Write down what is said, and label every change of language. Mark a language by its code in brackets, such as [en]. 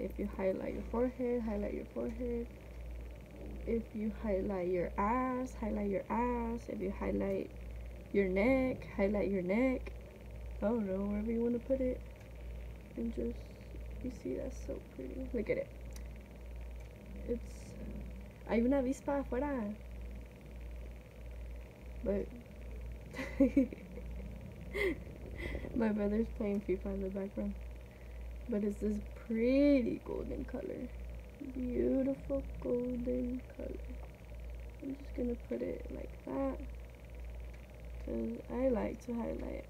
[en] If you highlight your forehead, highlight your forehead. If you highlight your ass, highlight your ass. If you highlight your neck, highlight your neck. I don't know, wherever you want to put it. And just, you see, that's so pretty. Look at it. [es] It's, hay una avispa afuera. [en] But, my brother's playing FIFA in the background. But it's this pretty golden color. Beautiful golden color. I'm just gonna put it like that. Cause I like to highlight.